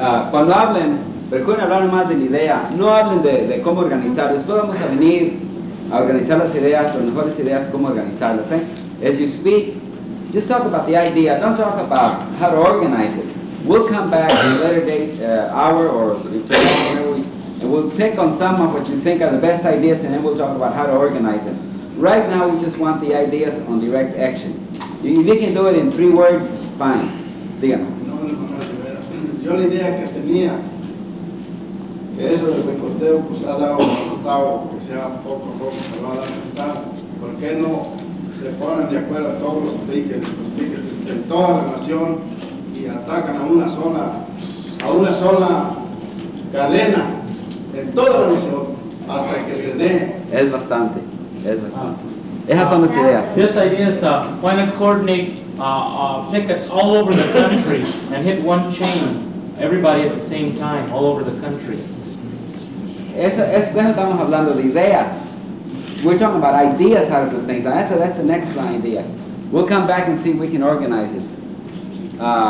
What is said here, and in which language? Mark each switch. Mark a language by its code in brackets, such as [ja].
[es] Cuando hablen, recuerden hablar más de la idea, no hablen de cómo organizar. Después vamos a venir a organizar las ideas, las mejores ideas, cómo organizarlas. [en] As you speak, just talk about the idea, don't talk about how to organize it. We'll come back in a later date, hour or tomorrow, and we'll pick on some of what you think are the best ideas, and then we'll talk about how to organize it. Right now, we just want the ideas on direct action. If you can do it in three words, fine. [es] Díganme. Yo la idea que tenía, que eso del recorteo pues ha dado un resultado, que sea poco a poco, se va a dar resultado. ¿Por qué no se ponen de acuerdo a todos los piquetes de toda la nación y atacan a una sola cadena en toda la nación hasta que se dé? Es bastante, es bastante. Esas son las ideas. Esa idea es, [en] when I coordinate pickets all over the country and hit one chain, everybody at the same time, all over the country. [es] Eso estamos hablando de ideas. [en] We're talking about ideas how to do things. And that's the next idea. We'll come back and see if we can organize it.